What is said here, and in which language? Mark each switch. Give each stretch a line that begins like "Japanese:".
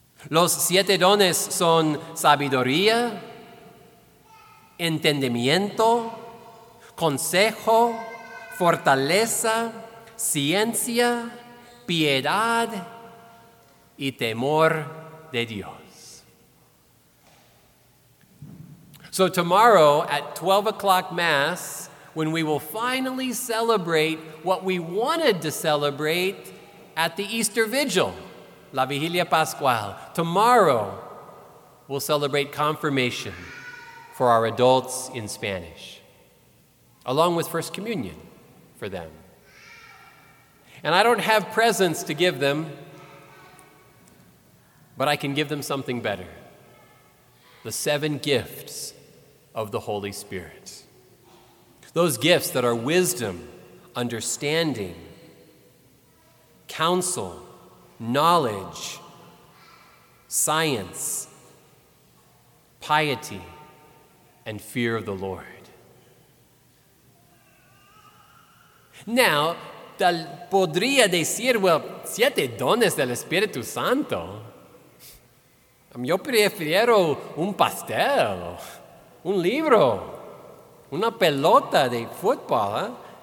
Spanish: Los 7 dones son sabiduría, entendimiento, consejo, fortaleza, ciencia, piedad y temor de Dios.
English: So tomorrow at 12 o'clock Mass, when we will finally celebrate what we wanted to celebrate at the Easter Vigil,
Spanish: la Vigilia Pascual,
English: tomorrow we'll celebrate confirmation for our adults in Spanish, along with First Communion for them. And I don't have presents to give them, but I can give them something better. The 7 gifts of the Holy Spirit. Those gifts that are wisdom, understanding, counsel, knowledge, science, piety, and fear of the Lord.
Spanish: Now, podría decir, well, 7 dones del Espíritu Santo. Yo prefiero un pastel. Un libro, una pelota de fútbol.